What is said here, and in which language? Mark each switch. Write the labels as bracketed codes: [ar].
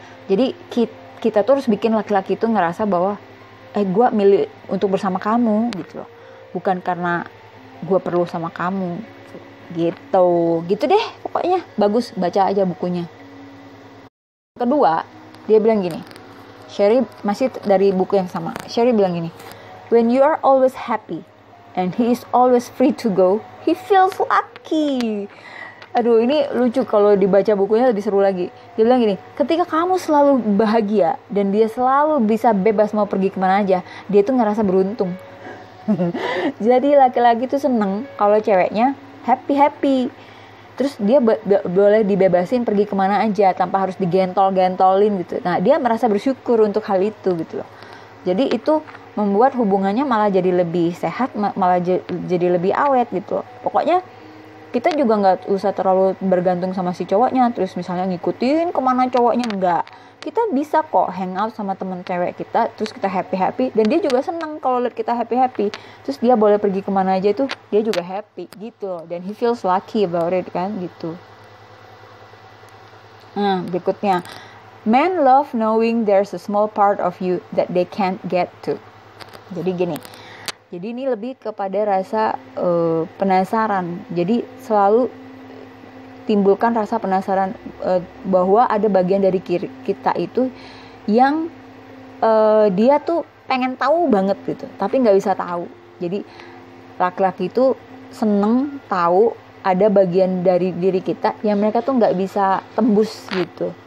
[id] Jadi kita tuh harus bikin laki-laki itu ngerasa bahwa gue milih untuk bersama kamu gitu loh, bukan karena gue perlu sama kamu. Gitu deh pokoknya. Bagus, baca aja bukunya. Kedua, dia bilang gini, Sherry masih dari buku yang sama. Sherry bilang gini, [en] when you are always happy and he is always free to go, he feels lucky. [id] Aduh, ini lucu kalau dibaca bukunya lebih seru lagi. Dia bilang gini, ketika kamu selalu bahagia dan dia selalu bisa bebas mau pergi kemana aja, dia tuh ngerasa beruntung. Jadi laki-laki tuh seneng kalau ceweknya happy-happy. Terus dia boleh dibebasin pergi kemana aja tanpa harus digentol-gentolin gitu. Nah, dia merasa bersyukur untuk hal itu gitu loh. Jadi itu membuat hubungannya malah jadi lebih sehat, malah jadi lebih awet gitu loh. Pokoknya kita juga gak usah terlalu bergantung sama si cowoknya, terus misalnya ngikutin kemana cowoknya, enggak. Kita bisa kok hangout sama temen cewek kita, terus kita happy-happy, dan dia juga seneng kalau liat kita happy-happy. Terus dia boleh pergi kemana aja itu, dia juga happy gitu loh. Dan [en] he feels lucky about it [id] kan, gitu. Nah, berikutnya. [en] Men love knowing there's a small part of you that they can't get to. [id] Jadi gini. Jadi ini lebih kepada rasa penasaran. Jadi selalu timbulkan rasa penasaran bahwa ada bagian dari kita itu yang dia tuh pengen tahu banget gitu, tapi nggak bisa tahu. Jadi laki-laki itu seneng tahu ada bagian dari diri kita yang mereka tuh nggak bisa tembus gitu.